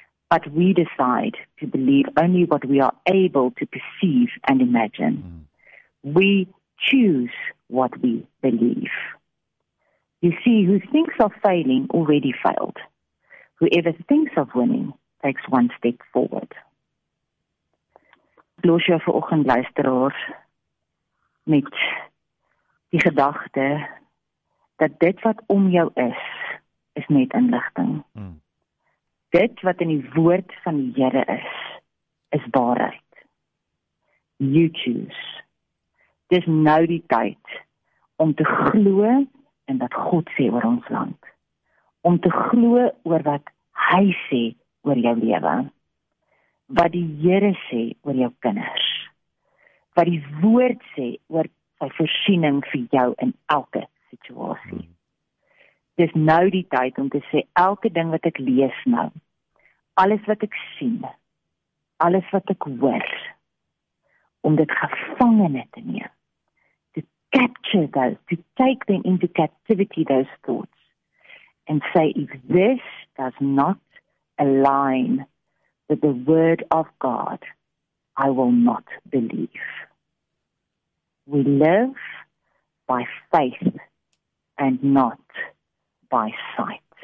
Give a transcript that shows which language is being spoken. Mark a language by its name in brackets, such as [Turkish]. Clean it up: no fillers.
[English] But we decide to believe only what we are able to perceive and imagine. Mm. We choose what we believe. You see, who thinks of failing already failed. Whoever thinks of winning takes one step forward. [Afrikaans] Los jou vanoggend luisteraar met die gedagte dat dit wat om jou is, is net inligting. Mm. Dit wat in die woord van die Here is, is waarheid. [English] You choose. [Afrikaans] Dis nou die tyd om te glo en wat God sê oor ons land. Om te glo oor wat hy sê oor jou lewe. Wat die Here sê oor jou kinders. Wat die woord sê oor sy voorsiening vir jou in elke situasie. Dis nou die tyd om te sê, elke ding wat ek lees nou, alles wat ek sien, alles wat ek hoor, om dit gevangene te neem. [English] Capture those, to take them into captivity, those thoughts, and say, if this does not align with the word of God, I will not believe. We live by faith and not by sight.